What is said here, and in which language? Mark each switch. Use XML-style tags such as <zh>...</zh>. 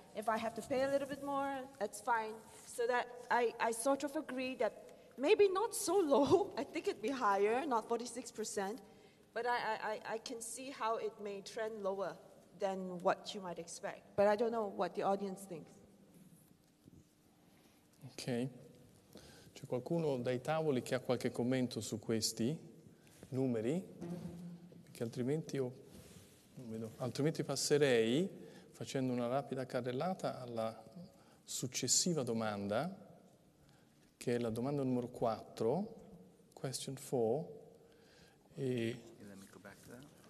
<en>If I have to pay a little bit more, that's fine. So that I sort of agree that maybe not so low, I think it'd be higher, not 46%, but I can see how it may trend lower than what you might expect. But I don't know what the audience thinks. Okay.</en> <it>C'è qualcuno dai tavoli che ha qualche commento su questi numeri? Perché altrimenti io non vedo. Altrimenti passerei, facendo una rapida carrellata, alla successiva domanda, che è la domanda numero 4,</it> <en>question 4. E okay, let me go back to that.</en>